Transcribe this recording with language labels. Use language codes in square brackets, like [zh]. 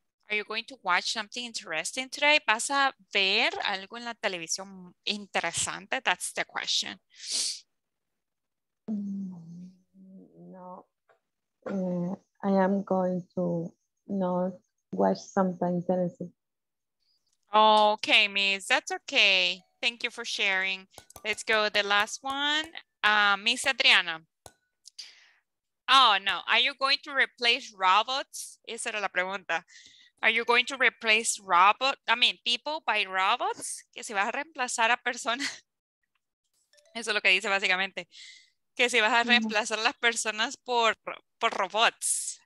[en] Are you going to watch something interesting today? [es] ¿Vas a ver algo en la televisión interesante? [en] That's the question. No. I am going to not watch something interesting. Okay, miss. That's okay. Thank you for sharing. Let's go the last one. Miss Adriana. Oh, no. Are you going to replace robots? [es] Esa era la pregunta. [en] Are you going to replace people by robots? [es] Que si vas a reemplazar a personas. Eso es lo que dice básicamente. Que si vas a reemplazar a las personas por robots.